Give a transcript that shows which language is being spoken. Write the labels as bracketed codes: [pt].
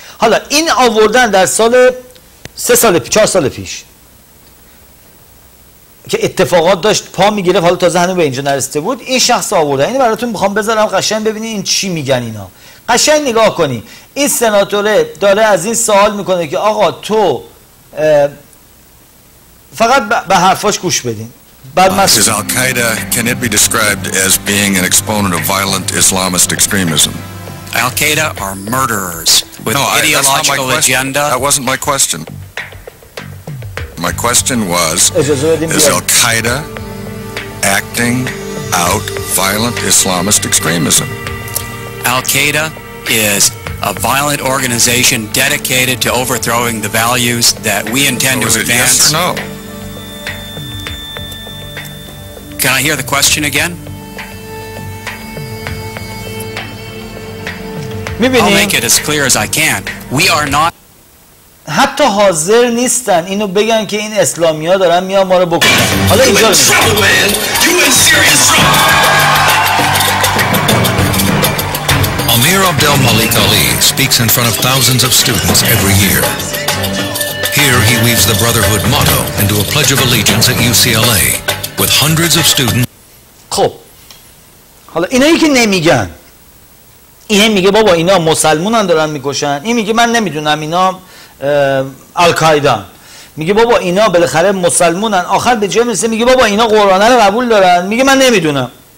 [fa] حالا این آوردن در سال 3-4 سال پیش که اتفاقات داشت پا میگرفت حالا تازه هنوز به اینجا نرسیده بود این شخص آوردن. اینو براتون میخوام بذارم قشنگ ببینین این چی میگن اینا. قشنگ نگاه کنی این سناتوره داره از این سوال میکنه که آقا تو فقط به حرفاش گوش بدین. بعد [en] مسئول Al-Qaeda, can it be described as being an exponent of violent Islamist extremism? Al-Qaeda are murderers with ideological agenda. That wasn't my question. My question was, is Al-Qaeda acting out violent Islamist extremism? Al-Qaeda is a violent organization dedicated to overthrowing the values that we intend to advance. Yes or no? Can I hear the question again? I'll make it as clear as I can. We are not. [fa] حتی حاضر نیستن اینو بگن که این اسلامی ها دارن میان ما رو بکنن. حالا اینجا [en] Amir Abdel Malik Ali speaks in front of thousands of students every year. Here he weaves the brotherhood motto into a pledge of allegiance at UCLA with hundreds of students. [fa] خب حالا اینایی که نمیگن اینه میگه بابا اینا مسلمون هم دارن میکشن، این میگه من نمیدونم اینا القاعده، میگه بابا اینا بالاخره مسلمونن، آخر به جای میرسه میگه بابا اینا قرآن رو قبول دارن، میگه من نمیدونم.